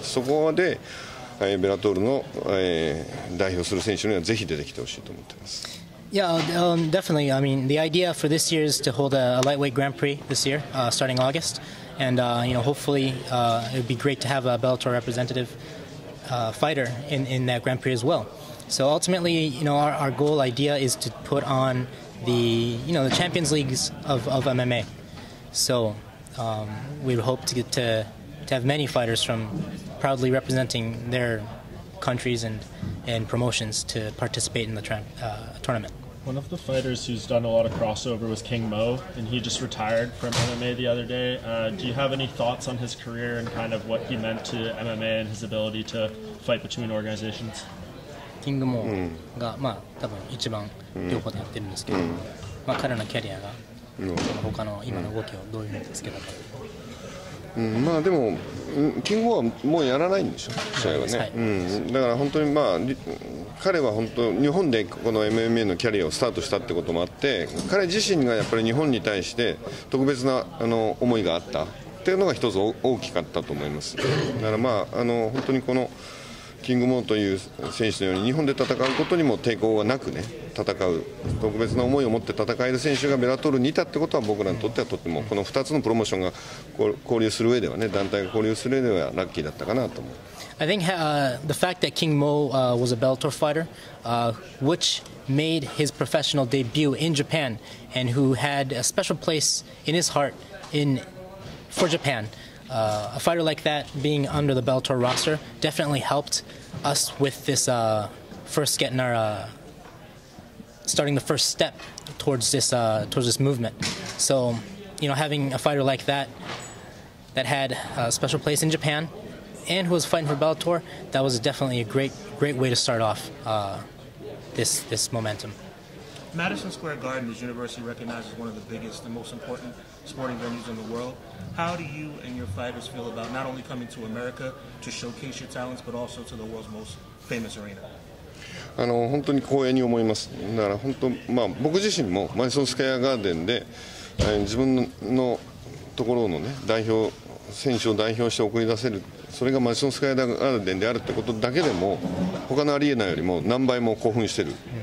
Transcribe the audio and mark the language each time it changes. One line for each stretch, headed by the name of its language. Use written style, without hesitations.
Japanese: そこで、ベラトールの、代表する選手にはぜひ出てきてほしいと思っています。
English: Yeah, definitely. I mean, the idea for this year is to hold a lightweight Grand Prix this year, starting August. And, you know, hopefully, it would be great to have a Bellator representative, fighter in that Grand Prix as well. So ultimately, you know, our goal idea is to put on the, you know, the Champions Leagues of MMA. So we would hope to get to have many fighters from proudly representing their countries and promotions to participate in the tournament. One of the fighters who's done a lot of crossover was King Mo, and he just retired from MMA the other day. Do you have any thoughts on his career and kind of what he meant to MMA and his ability to fight between organizations?
Japanese: キングモーが、まあ、多分一番両方でやってるんですけど、まあ、彼のキャリアが他の今の動きをどういうふうにつけたか、まあ、でもキングモーはもうやらないんでしょ試合はね、はい、だから本当に、まあ、彼は本当日本でこの MMA のキャリアをスタートしたってこともあって彼自身がやっぱり日本に対して特別なあの思いがあったっていうのが一つ大きかったと思います。だから、まあ、あの本当にこのキングモーという選手のように日本で戦うことにも抵抗はなくね戦う特別な思いを持って戦える選手がベラトールにいたってことは僕らにとってはとってもこの2つのプロモーションが交流する上ではね団体が交流する上ではラッキーだったかなと思う。
English: I think the fact that King Mo was a Bellator fighter, which made his professional debut in Japan, and who had a special place in his heart for Japan. A fighter like that being under the Bellator roster definitely helped us with this first getting our starting the first step towards this movement. So, you know, having a fighter like that had a special place in Japan and who was fighting for Bellator, that was definitely a great way to start off this momentum. Madison Square Garden is universally recognized as one of the biggest and most important sporting venues in the world. How do you and your fighters feel about not only coming to America to showcase your talents, but also to the world's most famous arena?
Japanese: あの本当に光栄に思います。だから本当、まあ、僕自身もマディソン・スクエア・ガーデンで、自分のところの、ね、代表選手を代表して送り出せる、それがマディソン・スクエア・ガーデンであるってことだけでも、他のアリーナよりも何倍も興奮してる。